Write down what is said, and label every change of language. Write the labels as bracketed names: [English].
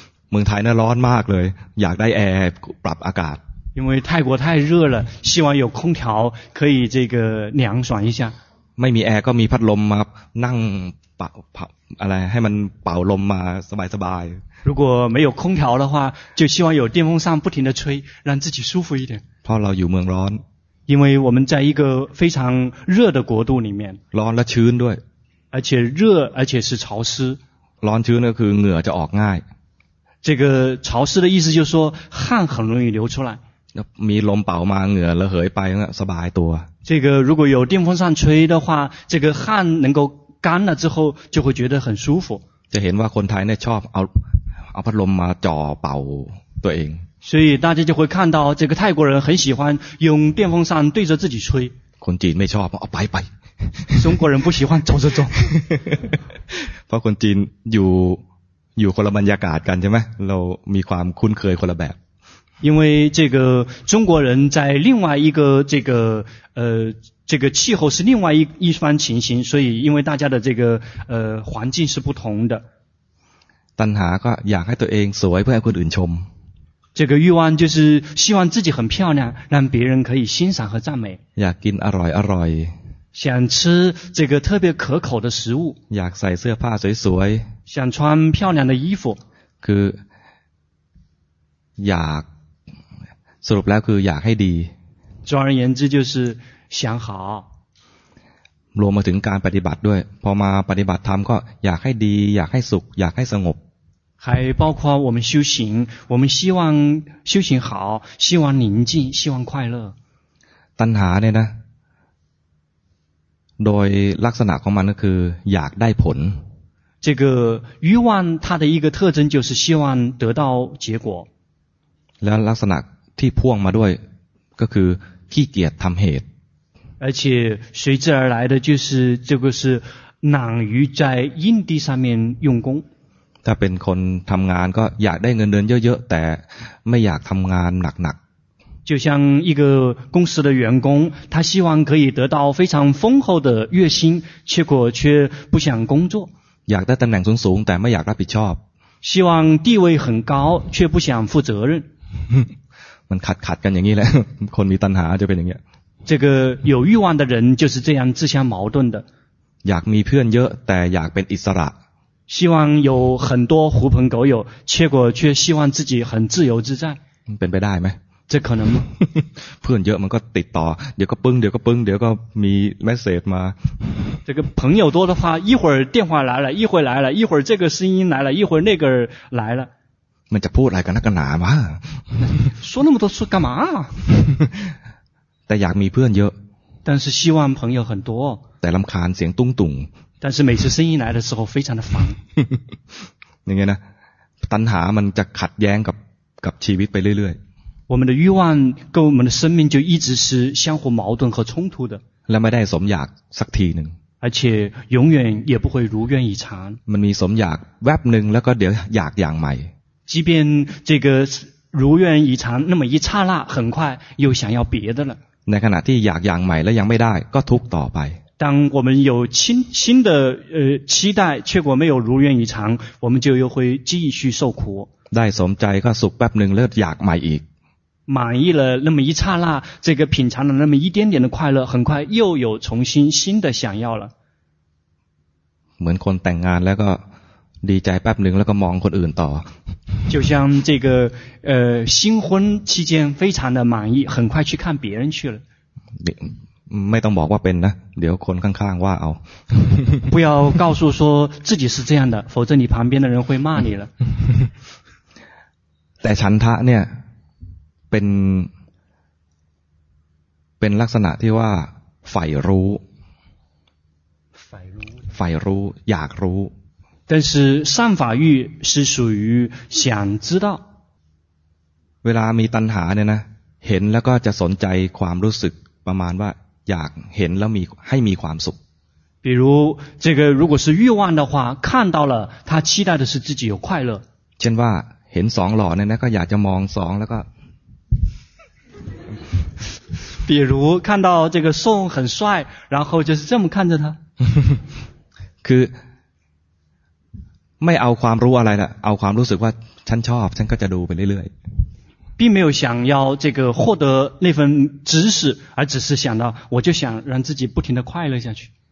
[Thai] เมืองไทยน่ะร้อนมากเลยอยากได้แอร์ปรับอากาศ [Chinese] 因为泰国太热了希望有空调可以这个凉爽一下 [Thai] ไม่มีแอร์ก็มีพัดลมมานั่งปะอะไรให้มันเป่าลมมาสบายสบาย [Chinese] 如果没有空调的话就希望有电风扇不停的吹让自己舒服一点 [Thai] เพราะเราอยู่เมืองร้อน [Chinese] 因为我们在一个非常热的国度里面 [Thai] ร้อนและชื้นด้วย [Chinese] 而且热而且是潮湿 [Thai] ร้อนชื้นก็คือเหงื่อจะออกง่าย [Chinese] 这个潮湿的意思就是说汗很容易流出来 [Thai] มีลมเป่ามาเหงื่อระเหยไปสบายตัว [Chinese] 这个如果有电风扇吹的话这个汗能够干了之后就会觉得很舒服 [Thai] จะเห็นว่าคนไทยเนี่ยชอบเอาพัดลมมาจ่อเป่าตัวเอง [Chinese] 所以大家就会看到这个泰国人很喜欢用电风扇对着自己吹 [Thai] คนจีนไม่ชอบเอาไปไป [Chinese] 中国人不喜欢走走走 [Thai] เพราะคนจีนอยู่คนละบรรยากาศกันใช่ไหมเรามีความคุ้นเคยคนละแบบ [Chinese] 因为这个中国人在另外一个这个这个气候是另外一番情形所以因为大家的这个环境是不同的 [Thai] ตัณหาก็อยากให้ตัวเองสวยเพื่อให้คนอื่นชม [Chinese] 这个欲望就是希望自己很漂亮让别人可以欣赏和赞美 [Thai] อยากกินอร่อยอร่อย [Chinese] 想吃这个特别可口的食物 [Thai] อยากใส่เสื้อผ้าสวยสวย [Chinese] 想穿漂亮的衣服 [Thai] คืออยากสรุปแล้วคืออยากให้ดี [Chinese] 总而言之就是想好 [Thai] รวมมาถึงการปฏิบัติด้วยพอมาปฏิบัติธรรมก็อยากให้ดีอยากให้สุขอยากให้สงบ [Chinese] 还包括我们修行我们希望修行好希望宁静希望快乐 [Thai] ตัณหาเนี่ยนะโดยลักษณะของมันก็คืออยากได้ผล [Chinese] 这个欲望它的一个特征就是希望得到结果 [Thai] แล้วลักษณะที่พ่วงมาด้วยก็คือขี้เกียจทำเหตุ [Chinese] 而且随之而来的就是这个是懒于在阴地上面用功 [Thai] ถ้าเป็นคนทำงานก็อยากได้เงินเดือนเยอะๆแต่ไม่อยากทำงานหนัก [Chinese] ๆ就像一个公司的员工他希望可以得到非常丰厚的月薪结果却不想工作 [Thai] อยากได้ตำแหน่งสูงๆแต่ไม่อยากรับผิดชอบ [Chinese] 希望地位很高却不想负责任 [Thai] มันขัดๆกันอย่างนี้แหละคนมีตัณหาจะเป็นอย่างเงี้ย [Chinese] 这个有欲望的人就是这样自相矛盾的 [Thai] อยากมีเพื่อนเยอะแต่อยากเป็นอิสระ [Chinese] 希望有很多狐朋狗友结果却希望自己很自由自在 [Thai] เป็นไปได้ไหม [Chinese] 这可能吗 [Thai] เพื่อนเยอะมันก็ติดต่อเดี๋ยวก็ปึ้งเดี๋ยวก็ปึ้งเดี๋ยวก็มีเมสเซจมา [Chinese] 这个朋友多的话一会儿电话来了一会儿来了一会儿这个声音来了一会儿那个来了 [Thai] มันจะพูดอะไรกันนักหนามา [Chinese] 说那么多说干嘛 [Thai] แต่อยากมีเพื่อนเยอะ [Chinese] 但是希望朋友很多 [Thai] แต่รำคาญเสียงตุ้งตุ่ง [Chinese] 但是每次声音来的时候非常的烦 [Thai] อย่างเงี้ยนะตัณหามันจะขัดแย้งกับชีวิตไปเรื่อย [Chinese] ๆ我们的欲望跟我们的生命就一直是相互矛盾和冲突的 [Thai] และไม่ได้สมอยากสักทีหนึ่ง [Chinese] 而且永远也不会如愿以偿 [Thai] มันมีสมอยากแวบหนึ่งแล้วก็เดี๋ยวอยากอย่างใหม่ [Chinese] 即便这个如愿以偿那么一刹那很快又想要别的了 [Thai] ในขณะที่อยากอย่างใหม่แล้วยังไม่ได้ก็ทุกต่อไป [Chinese] 当我们有新的期待结果没有如愿以偿我们就又会继续受苦 [Thai] ได้สมใจก็สุขแป๊บนึงแล้วอยากใหม่อีก [Chinese] 满意了那么一刹那这个品尝了那么一点点的快乐很快又有重新新的想要了 [Thai] เหมือนคนแต่งงานแล้วก็ดีใจแป๊บหนึ่งแล้วก็มองคนอื่นต่อ [Chinese] 就像这个新婚期间非常的满意很快去看别人去了 [Thai] ไม่ต้องบอกว่าเป็นนะเดี๋ยวคนข้างๆว่าเอา [Chinese] 不要告诉说自己是这样的否则你旁边的人会骂你了 [Thai] แต่ฉันทะเนี่ยเป็นลักษณะที่ว่าใฝ่รู้ใฝ่รู้ใฝ่รู้อยากรู้ [Chinese] 但是善法欲是属于想知道 [Thai] เวลามีตัณหาเนี่ยนะเห็นแล้วก็จะสนใจความรู้สึกประมาณว่าอยากเห็นแล้วมีให้มีความสุข [Chinese] 比如这个如果是欲望的话看到了他期待的是自己有快乐 [Thai] เช่นว่าเห็นสองหล่อเนี่ยนะก็อยากจะมองสองแล้วก็ [Chinese] 比如看到这个宋很帅然后就是这么看着他 [Thai] คือไม่เอาความรู้อะไรละเอาความรู้สึกว่าฉันชอบฉันก็จะดูไปเรื่อย [Chinese] ๆ并没有想要这个获得那份知识而只是想到我就想让自己不停的快乐下去